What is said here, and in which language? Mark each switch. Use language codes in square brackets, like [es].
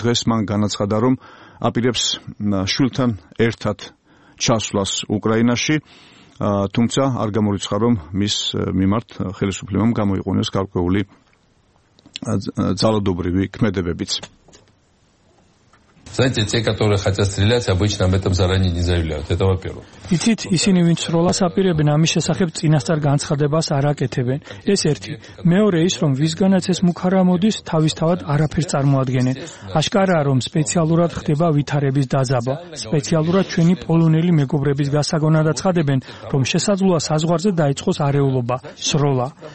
[ka] დღეს მან განაცხადა, რომ აპირებს შვილთან ერთად ჩასვლას უკრაინაში, თუმცა არ გამორიცხა, რომ მის მიმართ ხელისუფლებამ გამოიყენოს გარკვეული ძალადობრივი ქმედებებიც. [ru] Знаете, те, которые хотят стрелять, обычно об этом заранее не заявляют. Это во-первых. [ka] Итит, исини винц ролас апиребен ამის შესახებ წინასწარ განცხადებას არ აკეთებენ. ეს ერთი. მეორე ის, რომ ვისგანაც ეს მუქარა მოდის, თავისთავად არაფერს წარმოადგენენ. აშკარაა, რომ სპეციალურად ხდება ვითარების დაზაბა. სპეციალურად ჩვენი პოლონელი მეგობრების გასაგონადაც ხადებენ, რომ შესაძლოა საზღვარზე დაიწყოს არეულობა, სროლა.